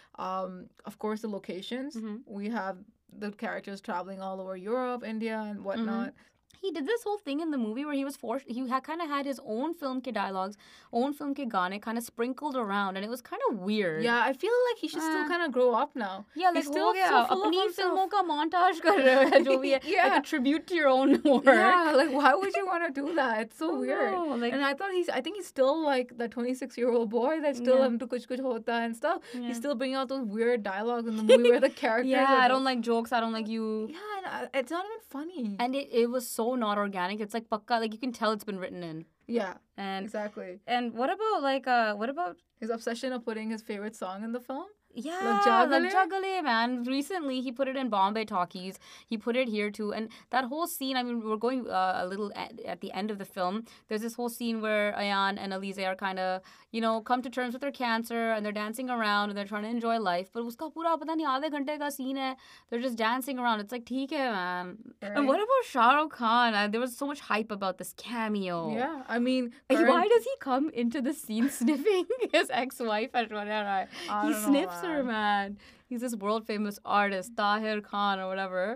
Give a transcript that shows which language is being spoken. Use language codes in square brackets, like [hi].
[en] Of course, the locations. Mm-hmm. We have the characters traveling all over Europe, India, and whatnot. Mm-hmm. He did this whole thing in the movie where he was forced... He kind of had his own film ke dialogues, own film [hi] ke gaane [en] kind of sprinkled around. And it was kind of weird. Yeah, I feel like he should still kind of grow up now. Yeah, like, still [hi] अपनी फ़िल्मों का montage कर रहा है, जो भी है. [en] Like a tribute to your own work. Yeah, like, why would you want to do that? It's so weird. Like, and I thought I think he's still like the 26-year-old boy that's still him to kuch kuch hota and stuff. Yeah. He's still bringing out those weird dialogues in the movie where the characters... Yeah, are I don't like jokes. I don't like you. Yeah, and it's not even funny. And it was so not organic. It's like pakka, like you can tell it's been written in. Yeah, and exactly. And what about what about his obsession of putting his favorite song in the film? Yeah, Lag Jagale, man. Recently, he put it in Bombay Talkies. He put it here too. And that whole scene, I mean, we're going a little at the end of the film. There's this whole scene where Ayan and Elise are kind of, you know, come to terms with their cancer and they're dancing around and they're trying to enjoy life. But [hi] उसका पूरा पता नहीं आधे घंटे का scene है. [en] They're just dancing around. It's like, [hi] ठीक है, [en] man. Right. And what about Shah Rukh Khan? There was so much hype about this cameo. Yeah, I mean, why does he come into the scene sniffing his ex-wife at Ashwarya Rai? He sniffs. Man, he's this world famous artist, Tahir Khan or whatever.